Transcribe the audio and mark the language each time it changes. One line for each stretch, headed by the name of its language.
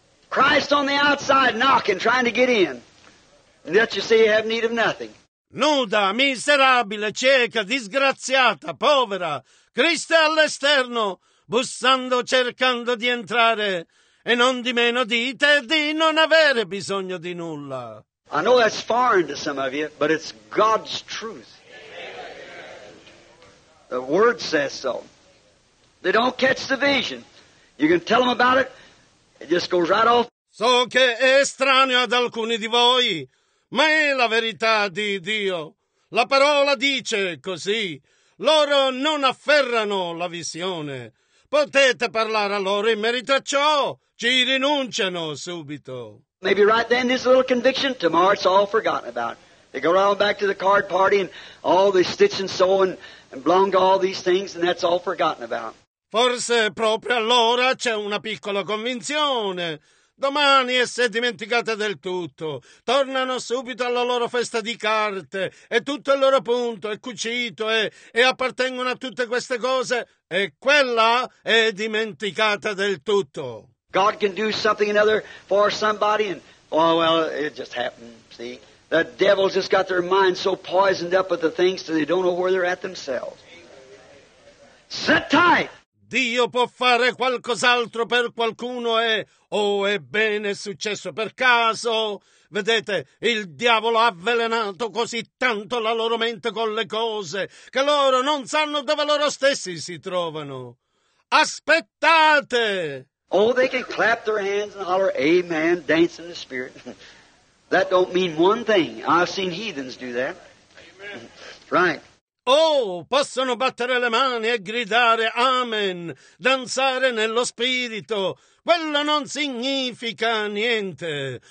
English: Christ on the outside knocking, trying to get in. And yet you say you have need of nothing.
Italian: Nuda, miserabile, cieca, disgraziata, povera. Cristo è all'esterno, bussando, cercando di entrare. E non di meno dite di non avere bisogno di nulla.
English: I know that's foreign to some of you, but it's God's truth. The Word says so. They don't catch the vision. You can tell them about it, it just goes right off.
Italian: So che è strano ad alcuni di voi, ma è la verità di Dio. La parola dice così. Loro non afferrano la visione. Potete parlare a loro in merito a ciò. Ci rinunciano subito.
English: Maybe right then this little conviction, tomorrow it's all forgotten about. They go around back to the card party and all the stitch and sew and belong to all these things and that's all forgotten about.
Italian: Forse proprio allora c'è una piccola convinzione. Domani è se dimenticata del tutto. Tornano subito alla loro festa di carte. È tutto il loro punto, è cucito e appartengono a tutte queste cose. E quella è dimenticata del tutto.
English: God can do something another for somebody and, it just happened, see. The devil's just got their mind so poisoned up with the things that they don't know where they're at themselves. Sit tight!
Italian: Dio può fare qualcos'altro per qualcuno e, oh, ebbene, è successo per caso. Vedete, il diavolo ha avvelenato così tanto la loro mente con le cose che loro non sanno dove loro stessi si trovano. Aspettate!
English: Oh, they can clap their hands and holler, amen, dance in the spirit. That don't mean one thing. I've seen heathens do that. Amen. Right.
Italian: Oh, possono battere le mani e gridare amen, danzare nello spirito. Quello non significa niente.